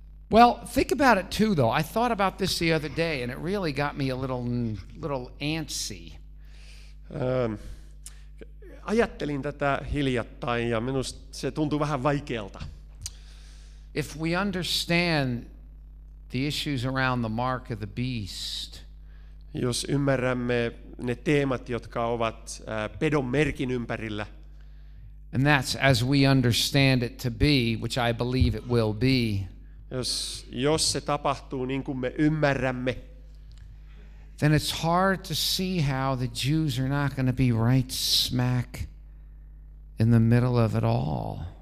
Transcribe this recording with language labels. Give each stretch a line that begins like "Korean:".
English: Well, think about it too, though. I thought about this the other day, and it really got me a little antsy.
Finnish: Ajattelin tätä hiljattain ja minusta se tuntuu vähän vaikealta.
English: If we understand the issues around the mark of the beast,
Finnish: jos ymmärrämme ne teemat, jotka ovat pedon merkin ympärillä,
English: And that's as we understand it to be, which I believe it will be.
Finnish: Jos se tapahtuu niin kuin me ymmärrämme.
English: Then it's hard to see how the Jews are not going to be right smack in the middle of it all.